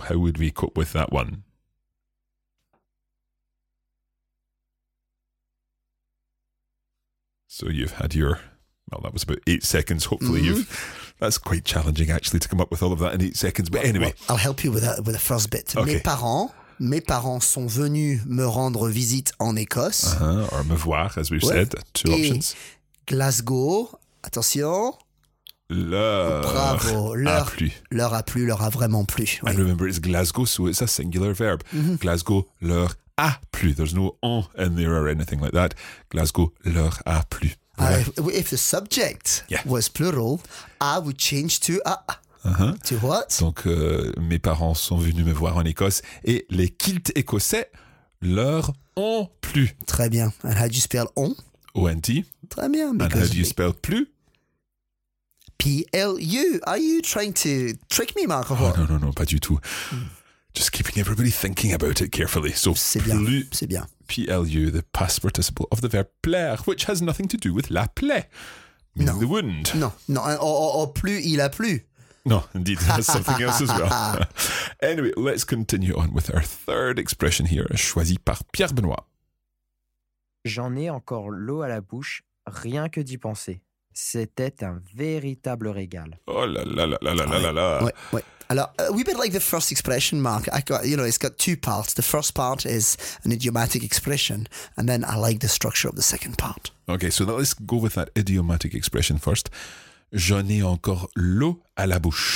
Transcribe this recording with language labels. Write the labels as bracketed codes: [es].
[en] How would we cope with that one? So you've had your, well, that was about 8 seconds. Hopefully that's quite challenging actually to come up with all of that in 8 seconds. But anyway. Well, I'll help you with that, with the first bit. Okay. [fr] Mes parents sont venus me rendre visite en Écosse. [en] Uh-huh, or [fr] me voir, [en] as we've said. Two [fr] et [en] options. [fr] Glasgow, attention. Leur a vraiment plu. Oui. [en] And remember, it's Glasgow, so it's a singular verb. Mm-hmm. [fr] Glasgow leur a plu. [en] There's no en in there or anything like that. [fr] Glasgow leur a plu. [en] If the subject was plural, I would change to a. To what? [fr] Donc, mes parents sont venus me voir en Écosse et les kilts écossais leur ont plu. Très bien. [en] And how do you spell on? O-N-T. [fr] Très bien. [en] And how do you spell plu? P-L-U. Are you trying to trick me, Marco? Oh, no, [fr] pas du tout. [en] Just keeping everybody thinking about it carefully. So, [fr] c'est bien. Plu, c'est bien. [en] P-L-U, the past participle of the verb plaire, which has nothing to do with [fr] la plaie, [en] meaning the wound. [fr] Or plu, il a plu. [en] No, indeed, that's something else as well. Anyway, let's continue on with our third expression here, [fr] choisie par Pierre Benoît. J'en ai encore l'eau à la bouche, rien que d'y penser. C'était un véritable régal. Oh là là là là là là là. Oui. [en] Alors, we bit like the first expression, Mark. It's got two parts. The first part is an idiomatic expression, and then I like the structure of the second part. Okay, so let's go with that idiomatic expression first. [fr] J'en ai encore l'eau à la bouche.